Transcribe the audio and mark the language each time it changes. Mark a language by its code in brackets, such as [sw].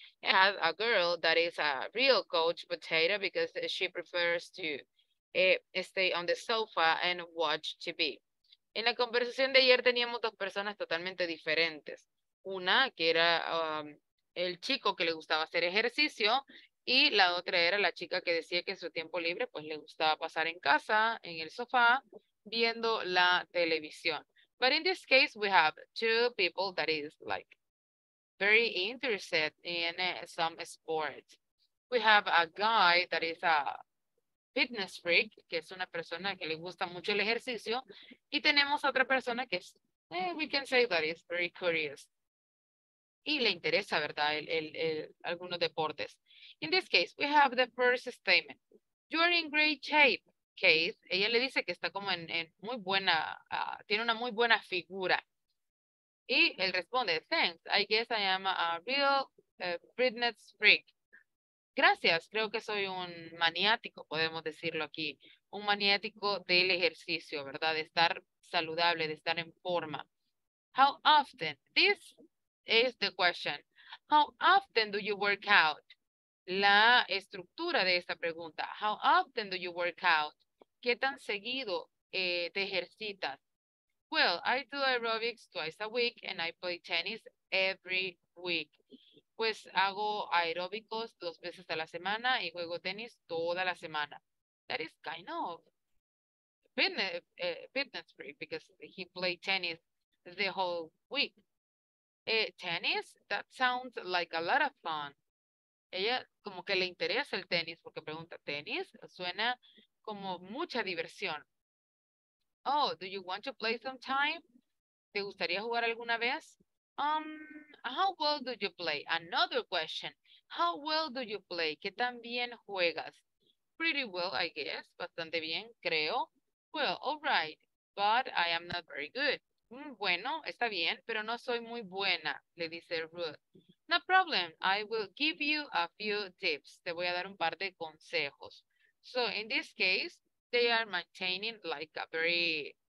[en] And has a girl that is a real couch potato because she prefers to stay on the sofa and watch TV. [es] En la conversación de ayer teníamos dos personas totalmente diferentes. Una que era el chico que le gustaba hacer ejercicio y la otra era la chica que decía que en su tiempo libre pues le gustaba pasar en casa, en el sofá, viendo la televisión. [en] But in this case, we have two people that is like very interested in some sports. We have a guy that is a fitness freak, [es] que es una persona que le gusta mucho el ejercicio, y tenemos otra persona que es, [en] we can say that is very curious. [es] Y le interesa, ¿verdad?, algunos deportes. [en] In this case, we have the first statement. You are in great shape, Keith. [es] Ella le dice que está como en muy buena, tiene una muy buena figura. Y él responde, [en] thanks, I guess I am a real fitness freak. [es] Gracias, creo que soy un maniático, podemos decirlo aquí. Un maniático del ejercicio, ¿verdad? De estar saludable, de estar en forma. [en] How often? This is the question. How often do you work out? [es] La estructura de esta pregunta. [en] How often do you work out? [es] ¿Qué tan seguido te ejercitas? [en] Well, I do aerobics twice a week and I play tennis every week. [es] Pues hago aeróbicos dos veces a la semana y juego tenis toda la semana. [en] That is kind of fitness freak because he played tennis the whole week. Tennis, that sounds like a lot of fun. [es] Ella como que le interesa el tenis porque pregunta, tenis, suena como mucha diversión. [en] Oh, do you want to play sometime? [es] ¿Te gustaría jugar alguna vez? [en] How well do you play? Another question. How well do you play? [es] ¿Qué tan bien juegas? [en] Pretty well, I guess. [es] Bastante bien, creo. [en] Well, all right, but I am not very good. [es] Bueno, está bien, pero no soy muy buena, le dice Ruth. [en] No problem. I will give you a few tips. [es] Te voy a dar un par de consejos. [en] So, in this case, they are maintaining like a very...